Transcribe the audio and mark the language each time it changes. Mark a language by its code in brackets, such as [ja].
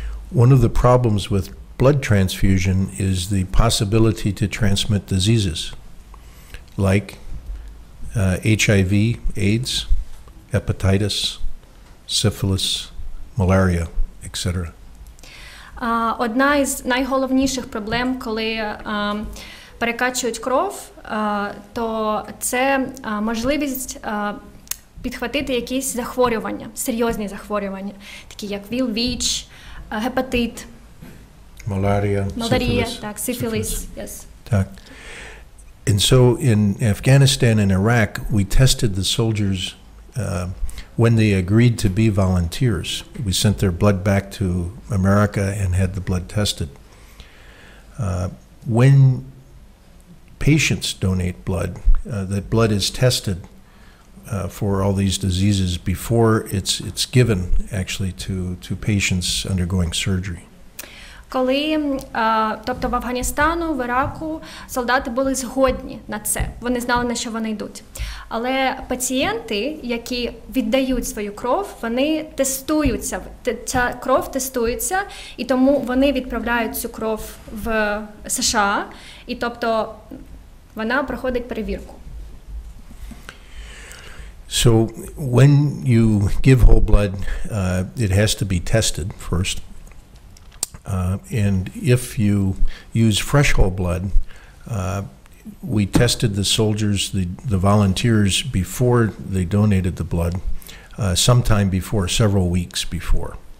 [en] One of the problems with blood transfusion is the possibility to transmit diseases like HIV, AIDS, hepatitis, syphilis, malaria, etc. [uk] Одна із найголовніших проблем, коли перекачують кров, то це можливість підхватити якісь захворювання, серйозні захворювання, такі як ВІЛ, ВІЧ, гепатит. Малярія, так, сифіліс, yes. Так. [en] And so in Afghanistan and Iraq, we tested the soldiers when they agreed to be volunteers. We sent their blood back to America and had the blood tested. When patients donate blood, that blood is tested for all these diseases before it's given actually to patients undergoing surgery. [uk] Коли, тобто в Афганістану, в Іраку, солдати були згодні на це, вони знали, на що вони йдуть. Але пацієнти, які віддають свою кров, вони тестуються, ця кров тестується, і тому вони відправляють цю кров в США, і тобто вона проходить перевірку. [en] So when you give whole blood, it has to be tested first. And if you use fresh whole blood, we tested the soldiers, the volunteers, before they donated the blood, sometime before, several weeks before.